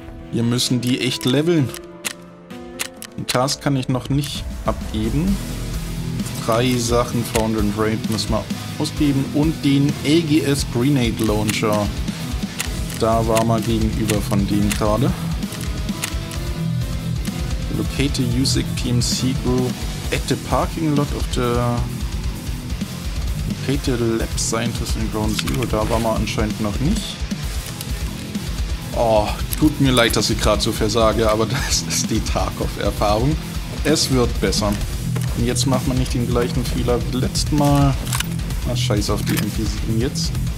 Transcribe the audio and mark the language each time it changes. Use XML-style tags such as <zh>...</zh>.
<de>Wir müssen die echt leveln. Ein Task kann ich noch nicht abgeben. Drei Sachen Found and Raid müssen wir ausgeben. Und den LGS Grenade Launcher. Da war mal gegenüber von dem gerade.</de> <en>Locate USIC PMC Group at the parking lot of the Locate Lab Scientist in Ground Zero.</en> <de>Da war man anscheinend noch nicht. Oh, tut mir leid, dass ich gerade so versage, aber das ist die Tarkov-Erfahrung. Es wird besser. Und jetzt macht man nicht den gleichen Fehler wie letztes Mal. Na, scheiß auf die MP7 jetzt.</de>